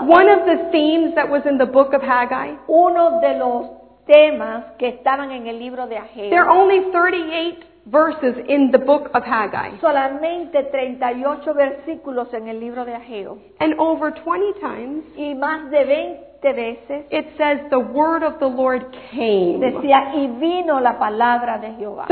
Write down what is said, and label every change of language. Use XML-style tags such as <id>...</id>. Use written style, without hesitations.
<en>One of the themes that was in the book of Haggai.</en> <es>Uno de los temas que estaban en el libro de Ageo.</es> <en>There are only 38 verses in the book of Haggai.</en> <es>Solamente 38 versículos en el libro de Ageo.</es> <en>And over 20 times.</en> <es>Y más de 20 veces.</es> <en>It says the word of the Lord came.</en> <es>Decía y vino la palabra de Jehová.</es>